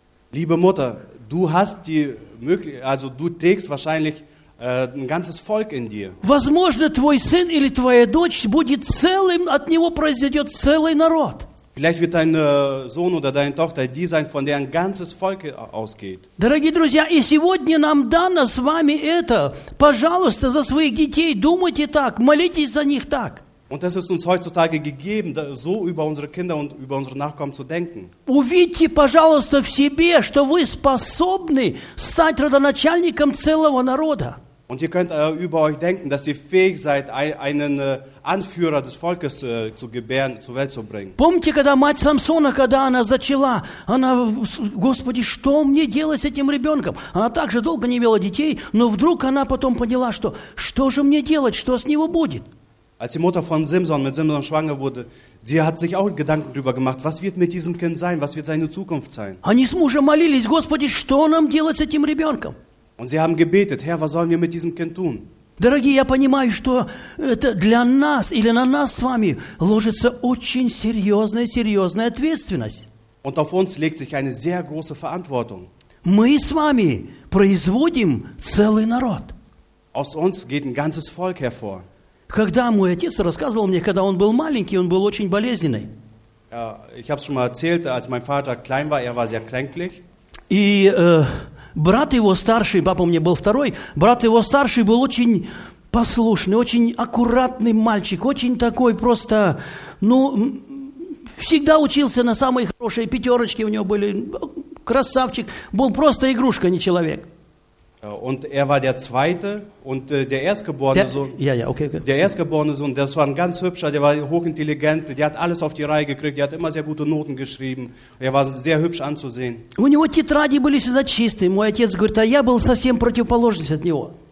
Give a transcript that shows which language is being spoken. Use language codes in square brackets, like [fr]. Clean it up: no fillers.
[de] Liebe Mutter, du hast die Möglichkeit, also du trägst wahrscheinlich ein ganzes Volk in dir. [ru] Возможно, твой сын или твоя дочь будет целым, от него произойдет целый народ. [de] Vielleicht wird dein Sohn oder deine Tochter die sein, von der ein ganzes Volk ausgeht. [ru] Дорогие друзья, и сегодня нам дано с вами это. Пожалуйста, за своих детей думайте так, молитесь за них так. [de] Und es ist uns heutzutage gegeben, so über unsere Kinder und über unsere Nachkommen zu denken. [ru] Увидьте, пожалуйста, в себе, что вы способны стать родоначальником целого народа. [de] Und ihr könnt über euch denken, dass ihr fähig seid, einen Anführer des Volkes zu gebären, zur Welt zu bringen. [ru] Помните, когда мать Самсона, когда она зачала, она, Господи, что мне делать с этим ребенком? Она также долго не имела детей, но вдруг она потом поняла, что же мне делать, что с него будет? [de] Als die Mutter von Simson, mit Simson schwanger wurde, sie hat sich auch Gedanken darüber gemacht, was wird mit diesem Kind sein, was wird seine Zukunft sein? [ru] Они с мужем молились, Господи, что нам делать с этим ребенком? [de] Und sie haben gebetet, Herr, was sollen wir mit diesem Kind tun? [ru] Дорогие, я понимаю, что это для нас или на нас с вами ложится очень серьезная ответственность. [de] Und auf uns legt sich eine sehr große Verantwortung. [ru] Мы с вами производим целый народ. [de] Aus uns geht ein ganzes Volk hervor. [ru] Когда мой отец рассказывал мне, когда он был маленький, он был очень болезненный. [de] Ja, ich habe es schon mal erzählt, als mein Vater klein war, er war sehr kränklich. [ru] И Брат его старший, папа у меня был второй, брат его старший был очень послушный, очень аккуратный мальчик, очень такой просто, ну, всегда учился на самые хорошие, пятерочки у него были, красавчик, был просто игрушка, не человек. [de] Und war der zweite und der erstgeborene Sohn. Der erstgeborene Sohn, das war ein ganz hübscher, der war hochintelligent, der hat alles auf die Reihe gekriegt, der hat immer sehr gute Noten geschrieben. Er war sehr hübsch anzusehen. [ru] У него тетради были всегда чистые. Мой отец говорит, а я был совсем противоположность от него.